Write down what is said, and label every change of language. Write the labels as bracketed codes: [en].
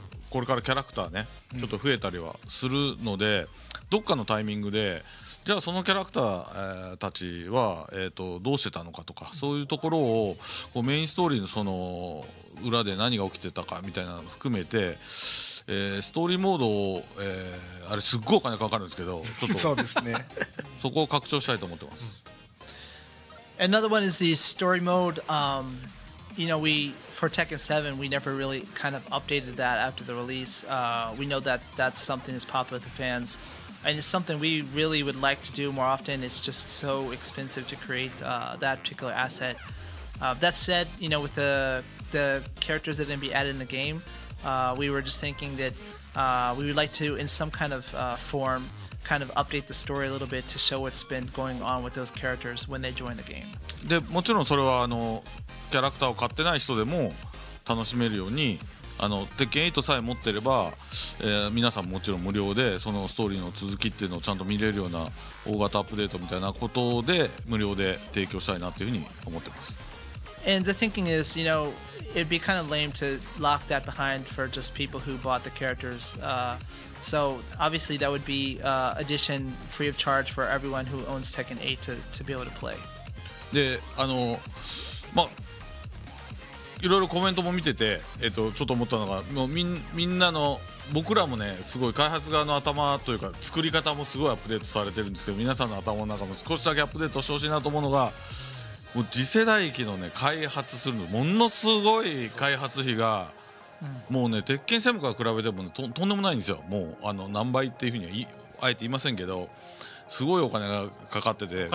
[ja] これからキャラクターねちょっと増えたりはするので、うん、どっかのタイミングでじゃあそのキャラクター、たちは、どうしてたのかとかそういうところをこうメインストーリーのその裏で何が起きてたかみたいなのを含めて、ストーリーモードを、あれすっごいお金かかるんですけどちょっとそうですねそこを拡張したいと思ってます。 [en] Another one is the story mode. You know, for Tekken 7, we never really kind of updated that after the release. We know that that's something that's popular with the fans. And it's something we really would like to do more often. It's just so expensive to create that particular asset. That said, you know, with the characters that are going to be added in the game, we were just thinking that we would like to, in some kind of form, kind of update the story a little bit to show what's been going on with those characters when they join the game. [ja] で、もちろんそれはあのキャラクターを買ってない人でも楽しめるようにあの鉄拳8さえ持ってれば、皆さんもちろん無料でそのストーリーの続きっていうのをちゃんと見れるような大型アップデートみたいなことで無料で提供したいなっていうふうに思ってます。 [en] And the thinking is, you know, it'd be kind of lame to lock that behind for just people who bought the characters. So obviously that would be addition free of charge for everyone who owns Tekken 8 to be able to play. [ja] で、あの、まあいろいろコメントも見てて、ちょっと思ったのがもう みんなの僕らもねすごい開発側の頭というか作り方もすごいアップデートされてるんですけど皆さんの頭の中も少しだけアップデートしてほしいなと思うのがもう次世代機のね開発するのものすごい開発費がもうね鉄拳セムから比べても、ね、とんでもないんですよもうあの何倍っていうふうにはあえて言いませんけどすごいお金がかかってて